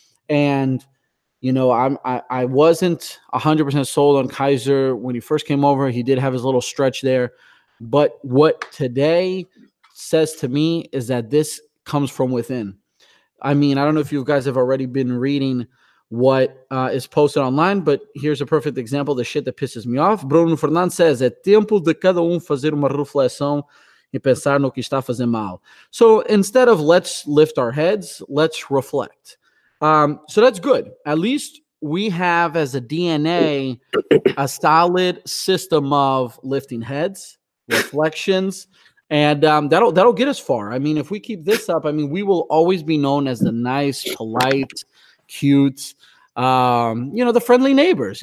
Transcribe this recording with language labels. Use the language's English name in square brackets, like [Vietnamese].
[English] And, you know, I wasn't 100% sold on Kaiser when he first came over. He did have his little stretch there. But what today says to me is that this comes from within. I mean, I don't know if you guys have already been reading what is posted online, but here's a perfect example of the shit that pisses me off. Bruno Fernandes says, [Portuguese] é tempo de cada fazer uma reflexão e pensar no que está fazendo mal. [English] So instead of let's lift our heads, let's reflect. So that's good. At least we have as a DNA a solid system of lifting heads, reflections, and that'll get us far. I mean, if we keep this up, I mean, we will always be known as the nice, polite, cute, you know, the friendly neighbors.